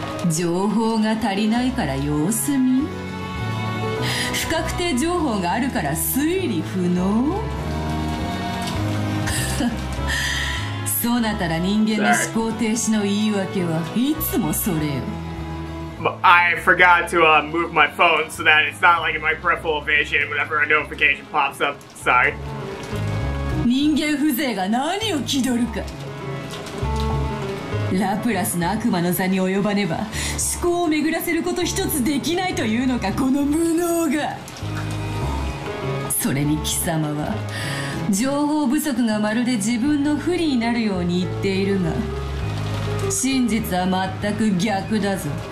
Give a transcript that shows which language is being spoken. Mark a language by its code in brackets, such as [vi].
[ja] 情報が足りないから様子見、不確定情報があるから推理不能。そうなったら人間の思考停止の言い訳はいつもそれよ。 [en] I forgot to move my phone so that it's not like in my peripheral vision whenever a notification pops up. Sorry. [ja] 人間風情が何を気取るか。ラプラスの悪魔の座に及ばねば思考を巡らせること一つできないというのか、この無能が。それに貴様は情報不足がまるで自分の不利になるように言っているが、真実は全く逆だぞ。